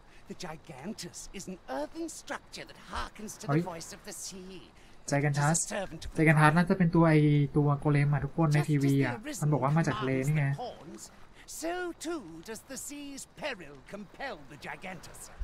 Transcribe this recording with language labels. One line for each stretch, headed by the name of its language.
English: The Gigantus is an earthen structure that harkens to the voice of the sea. Gigantus.
Thai: Gigantus น่าจะเป็นตัวไอตัวโกเลมอ่ะทุกคนในทีวีอ่ะมันบอกว่ามาจากทะเลนี่ไง
English: So too does the sea's peril compel the Gigantus.